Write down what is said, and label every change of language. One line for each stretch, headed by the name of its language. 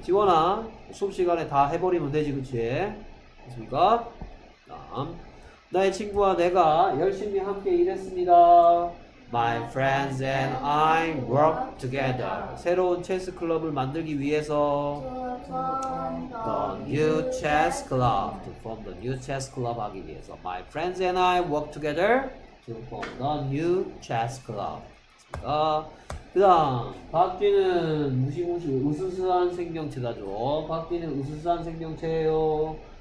Korean: 지원아, 수업시간에 다 해버리면 되지, 그치? 됐습니까? 다음. 나의 친구와 내가 열심히 함께 일했습니다.
English: My friends and I work together.
Korean: 새로운 체스 클럽을 만들기 위해서
English: to form the new chess club. To form the new chess club
Korean: 하기 위해서
English: My friends and I work together to form the new chess club.
Korean: 그 다음 박쥐는 무시무시 으스스한 생명체다죠. 박쥐는 으스스한 생명체예요.